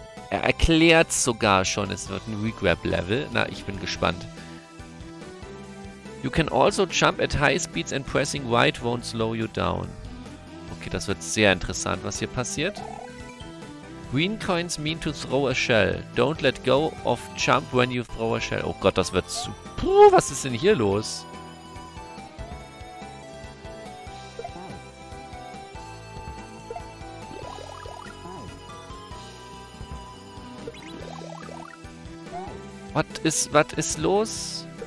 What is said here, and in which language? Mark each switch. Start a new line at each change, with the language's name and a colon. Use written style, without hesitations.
German: Er erklärt sogar schon, es wird ein Regrab-Level. Na, ich bin gespannt.
English: You can also jump at high speeds and pressing right won't slow you down.
German: Okay, das wird sehr interessant, was hier passiert.
English: Green Coins mean to throw a shell. Don't let go of jump when you throw a shell.
German: Oh Gott, das wird zu... Puh, was ist denn hier los? Was ist los?